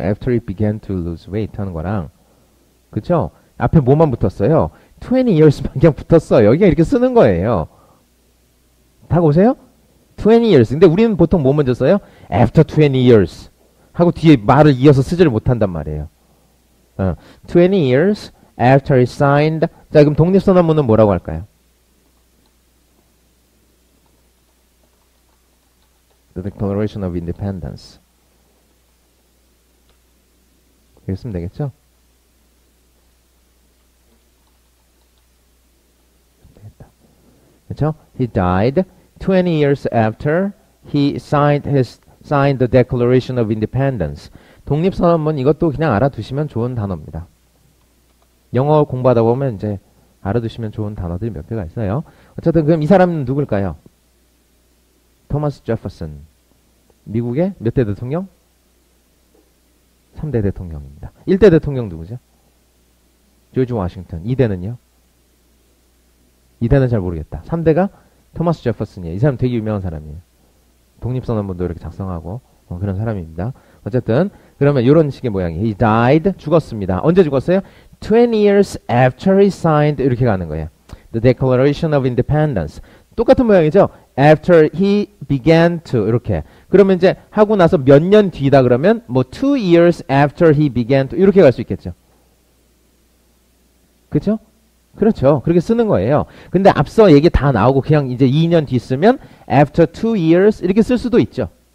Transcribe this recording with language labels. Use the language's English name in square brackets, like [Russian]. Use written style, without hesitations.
[English] After he began to lose weight [Korean] 하는 거랑. 그쵸? 앞에 뭐만 붙었어요? [English] 20 years [Korean] 만 그냥 붙었어. 여기가 이렇게 쓰는 거예요. 다 오세요? [English] 20 years. [Korean] 근데 우리는 보통 뭐 먼저 써요? [English] After 20 years. [Korean] 하고 뒤에 말을 이어서 쓰지를 못한단 말이에요. [English] 20 years after he signed. [Korean] 자, 그럼 독립선언문은 뭐라고 할까요? [English] 디클레이션 오브 인디펜던스. [Korean] 이렇게 쓰면 되겠죠? 됐다. 그렇죠? [English] He died 20 years after he signed his signed the Declaration of Independence. [Korean] 독립선언문 이것도 그냥 알아두시면 좋은 단어입니다. 영어 공부하다 보면 이제 알아두시면 좋은 단어들이 몇 개가 있어요. 어쨌든 그럼 이 사람은 누굴까요? 토마스 제퍼슨. 미국의 몇 대 대통령? 3대 대통령입니다. 1대 대통령 누구죠? 조지 워싱턴. 2대는요? 2대는 잘 모르겠다. 3대가 토마스 제퍼슨이에요. 이 사람 되게 유명한 사람이에요. 독립선언문도 이렇게 작성하고 그런 사람입니다. 어쨌든 그러면 이런 식의 모양이에요. [English] He died. [Korean] 죽었습니다. 언제 죽었어요? [English] 20 years after he signed. [Korean] 이렇게 가는 거예요. [English] The Declaration of Independence. [Korean] 똑같은 모양이죠? [English] After he began to [Korean] 이렇게. 그러면 이제 하고 나서 몇 년 뒤다 그러면 뭐 [English] two years after he began to [Korean] 이렇게 갈 수 있겠죠. 그렇죠? 그렇죠. 그렇게 쓰는 거예요. 근데 앞서 얘기 다 나오고 그냥 이제 2년 뒤 쓰면 [English] after two years [Korean] 이렇게 쓸 수도 있죠.